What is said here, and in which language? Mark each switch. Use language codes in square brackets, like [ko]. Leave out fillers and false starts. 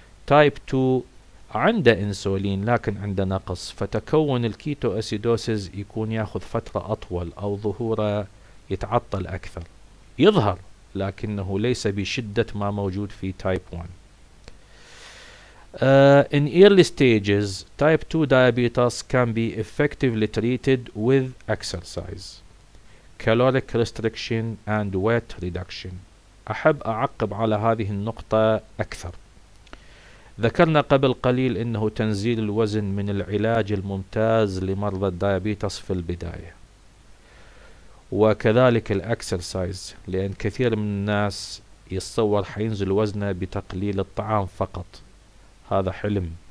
[ar] Type 2 عنده انسولين لكن عنده نقص، فتكون الكيتو اسيدوسيس يكون ياخذ فترة اطول او ظهوره يتعطل اكثر، يظهر لكنه ليس بشدة ما موجود في تايب 1. [en] In early stages type 2 diabetes can be effectively treated with exercise, caloric restriction and weight reduction. [ar] احب اعقب على هذه النقطة اكثر. ذكرنا قبل قليل انه تنزيل الوزن من العلاج الممتاز لمرضى الدايابيتس في البداية، وكذلك الاكسرسايز، لان كثير من الناس يتصور حينزل وزنه بتقليل الطعام فقط، هذا حلم.